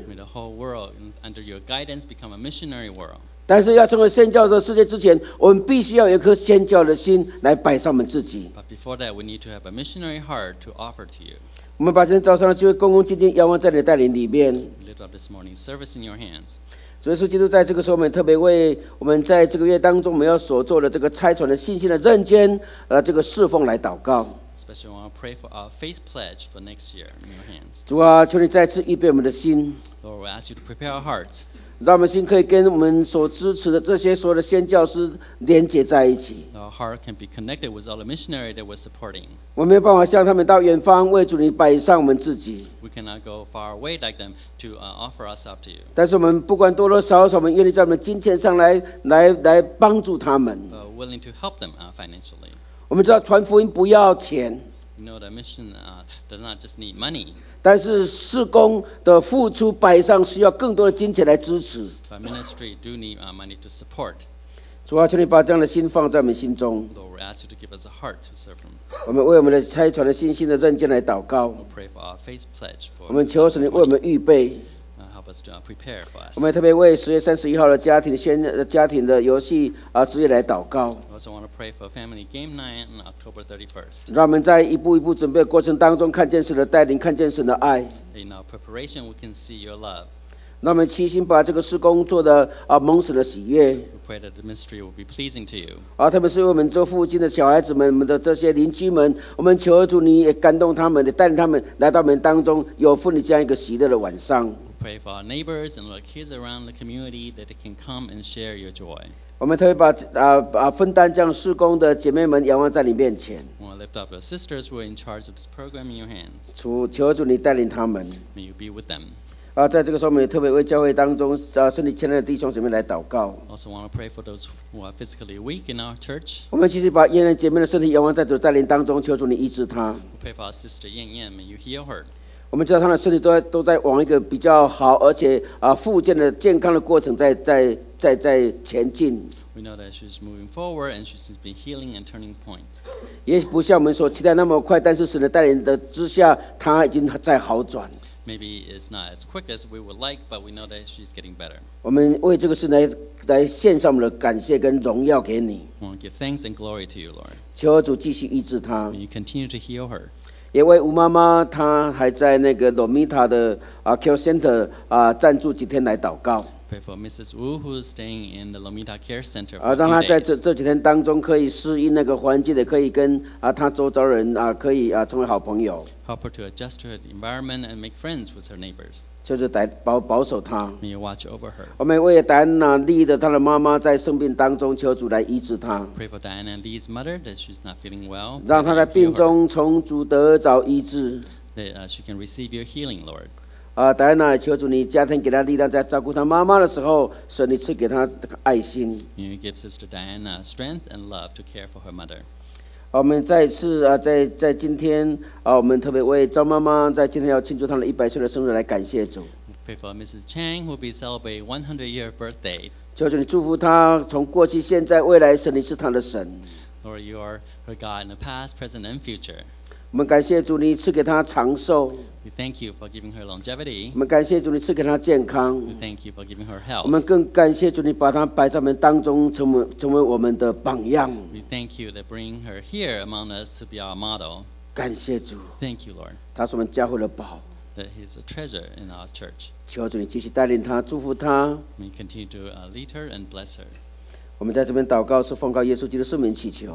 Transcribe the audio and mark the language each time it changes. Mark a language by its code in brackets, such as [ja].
[en] May the whole world under your guidance become a missionary world. [zh] 但是要成为宣教的世界之前，我们必须要有一颗宣教的心来摆上我们自己。 [en] But before that, we need to have a missionary heart to offer to you. [zh] 我们把今天早上的机会恭恭敬敬仰望在你的带领里面。 [en] Lift up this morning's service in your hands. [zh] 主耶稣基督，在这个时候，我们特别为我们在这个月当中我们要所做的这个差传的信心的认捐，这个侍奉来祷告。 [en] Especially, I want to pray for our faith pledge for next year in your hands. [zh] 主啊，求你再次预备我们的心。 [en] Lord, we ask you to prepare our hearts. [zh] 让我们心可以跟我们所支持的这些所有的宣教师连接在一起。 [en] Our heart can be connected with all the missionary that we're supporting. [zh] 我们没有办法向他们到远方为主你摆上我们自己。 [en] We cannot go far away like them to offer us up to you. [zh] 但是我们不管多多少少，我们愿意在我们金钱上来帮助他们。 [en] Willing to help them financially. [zh] 我们知道传福音不要钱。 [en] You know the mission does not just need money. [zh] 但是事工的付出摆上需要更多的金钱来支持。 [en] But ministry do need money to support. [zh] 主啊，求你把这样的心放在我们心中。 [en] Lord, we ask you to give us a heart to serve Him. [zh] 我们为我们的差传的信心的认真来祷告。 [en] We pray for our faith pledge. [zh] 我们求神你为我们预备。 [en] Help us to prepare for us. [zh] 我们特别为10月31号的家庭的游戏职业来祷告。 [en] I also want to pray for family game night on October 31st. [zh] 让我们在一步一步准备的过程当中，看见神的带领，看见神的爱。 [en] In our preparation, we can see your love. [zh] 让我们齐心把这个事工做的蒙神的喜悦。 [en] We pray that the ministry will be pleasing to you. [zh] 特别是为我们这附近的小孩子们，我们的这些邻居们，我们求主你也感动他们，也带领他们来到我们当中，有份的这样一个喜乐的晚上。 [en] Pray for our neighbors and our kids around the community that they can come and share your joy. [zh] 我们特别把分担这样事工的姐妹们仰望在你面前。 [en] We lift up the sisters who are in charge of this program in your hands. [zh] 求主你带领他们。 [en] May you be with them. [zh] 在这个时候，我们也特别为教会当中身体欠累的弟兄姐妹来祷告。 [en] Also want to pray for those who are physically weak in our church. [zh] 我们继续把燕燕姐妹的身体仰望在主带领当中，求主你医治她。 [en] We pray for our sister Yan Yan. May you heal her. [zh] 我们知道他的身体都在往一个比较好，而且复健的健康的过程在前进。 [en] We know that she's moving forward and she's been healing and turning point. [zh] 也许不像我们所期待那么快，但是神的带领的之下，她已经在好转。 [en] Maybe it's not as quick as we would like, but we know that she's getting better. [zh] 我们为这个事来献上我们的感谢跟荣耀给你。 [en] We want to give thanks and glory to you, Lord. [zh] 求主继续医治她。 [en] May you continue to heal her. [zh] 也为吴妈妈，她还在那个罗密塔的 [en] care center [zh] 暂住几天来祷告。 [en] pray for Mrs. Wu, who is staying in the Lomita Care Center. [zh] 让她在这几天当中可以适应那个环境的，可以跟她周遭人可以成为好朋友。 [en] Help her to adjust to her environment and make friends with her neighbors. [zh] 就是带保守她。 [en] May you watch over her. [zh] 我们为戴安娜丽的她的妈妈在生病当中，求主来医治她。 [en] Pray for Diana and Lee's mother that she's not feeling well. [zh] 让她在病中从主得着医治。 [en] That she can receive your healing, Lord. [zh] 戴安娜，求主你加添给她力量，在照顾她妈妈的时候，神你赐给她爱心。 [en] You give Sister Diana strength and love to care for her mother. [zh] 我们再一次在今天我们特别为张妈妈在今天要庆祝她的100岁的生日来感谢主。 [en] Pray for Mrs. Chang, who will be celebrating 100-year birthday. [zh] 求主你祝福她，从过去、现在、未来，神你是她的神。 [en] Lord, you are her God in the past, present, and future. [zh] 我们感谢主你赐给她长寿。 [en] We thank you for giving her longevity. [zh] 我们感谢主你赐给她健康。 [en] We thank you for giving her health. [zh] 我们更感谢主你把她摆在我们当中，成为我们的榜样。 [en] We thank you that bring her here among us to be our model. [zh] 感谢主。 [en] Thank you, Lord. [zh] 她是我们教会的宝。 [en] That he is a treasure in our church. [zh] 求主你继续带领她，祝福她。 [en] We continue to lead her and bless her. [zh] 我们在这边祷告，是奉靠耶稣基督的圣名祈求。